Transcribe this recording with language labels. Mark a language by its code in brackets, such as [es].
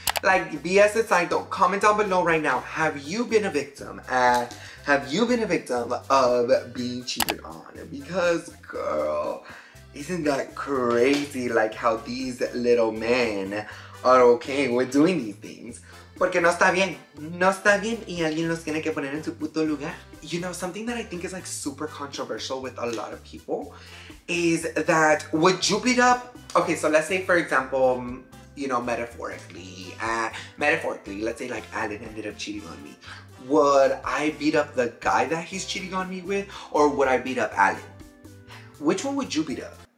[en] Like, BS aside, though, comment down below right now. Have you been a victim? Have you been a victim of being cheated on? Because, girl, isn't that crazy, like, how these little men are okay with doing these things? [es] Porque no está bien. No está bien y alguien los tiene que poner en su puto lugar. [en] You know, something that I think is like super controversial with a lot of people is that would you beat up... Okay, so let's say for example, you know, metaphorically, let's say like Alan ended up cheating on me. Would I beat up the guy that he's cheating on me with or would I beat up Alan? Which one would you beat up?